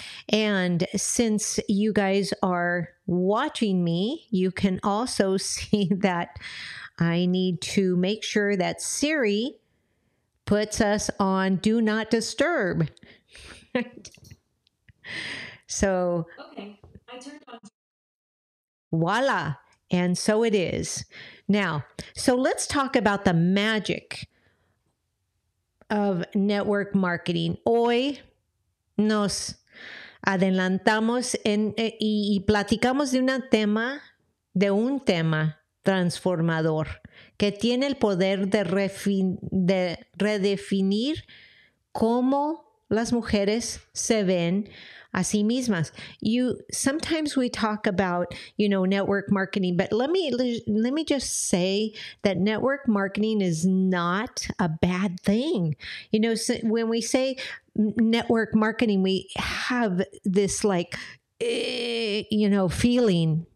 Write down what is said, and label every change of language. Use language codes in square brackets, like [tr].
[en] And since you guys are watching me, you can also see that I need to make sure that Siri puts us on Do Not Disturb. So, okay, I turned on. Voila. And so it is. Now, so let's talk about the magic of network marketing. [es] Hoy nos adelantamos y platicamos de un tema transformador que tiene el poder de redefinir cómo las mujeres se ven a sí mismas. [en] Sometimes we talk about, you know, network marketing, but let me just say that network marketing is not a bad thing. You know, so when we say network marketing, we have this like, you know, feeling.